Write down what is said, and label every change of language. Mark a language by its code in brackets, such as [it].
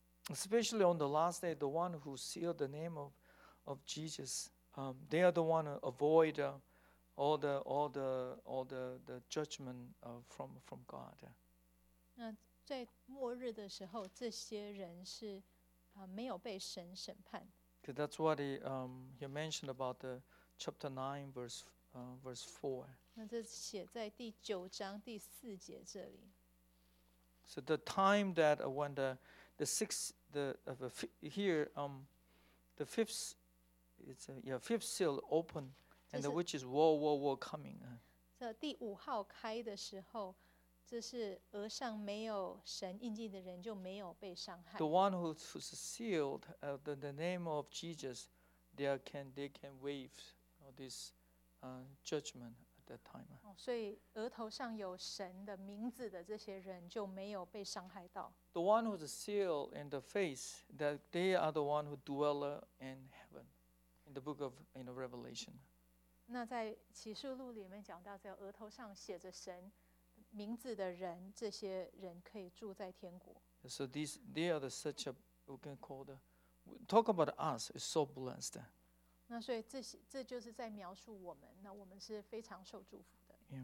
[en] Especially on the last day, the one who sealed the name of Jesus, they are the one who avoid all the judgment from God. [zh] 那在末日的时候，这些人是没有被神审判。 [en] Because that's what he mentioned about the chapter 9 verse 4. [zh] 那这写在第九章第四节这里。 [en] So the time that when fifth seal opened, and the which is war coming. [zh] 这第五号开的时候，这是额上没有神印记的人就没有被伤害。 [en] The one who's sealed, the name of Jesus, they can waive this judgment at that time. [zh] 所以额头上有神的名字的这些人就没有被伤害到。 [en] The one who's sealed in the face, that they are the one who dwell in heaven, in the book of Revelation. [zh] 那在启示录里面讲到，在额头上写着神名字的人，这些人可以住在天国。 [en] So they are such a we can call the talk about us is so blessed. [zh] 那所以这就是在描述我们，那我们是非常受祝福的。